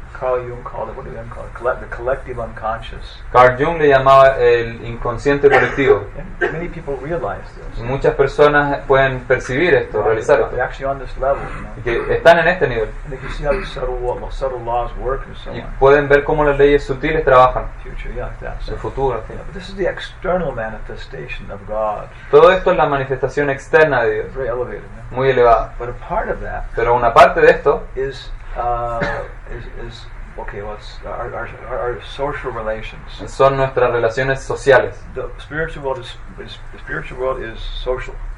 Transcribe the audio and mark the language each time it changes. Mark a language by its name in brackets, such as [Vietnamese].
[English] Carl Jung called it, what did he call it? The collective unconscious. [Spanish] Carl Jung le llamaba el inconsciente colectivo. [English] And many people realize this. [Spanish] Muchas personas pueden percibir esto, realizarlo. [English] They're actually on this level, [Spanish] Que están en este nivel. [English] And they can see how these subtle laws work and so on. [Spanish] Y pueden ver cómo las leyes sutiles trabajan. [English] Future, [Spanish] El futuro. [English] But this is the external manifestation of God. [Spanish] Todo esto es la manifestación externa de Dios. [English] Very elevated, [Spanish] Muy elevada. [English] But a part of that. [Spanish] Pero una parte de esto es [English] our social relations. [Spanish] Son nuestras relaciones sociales. [English] The spiritual world is spiritual world is social.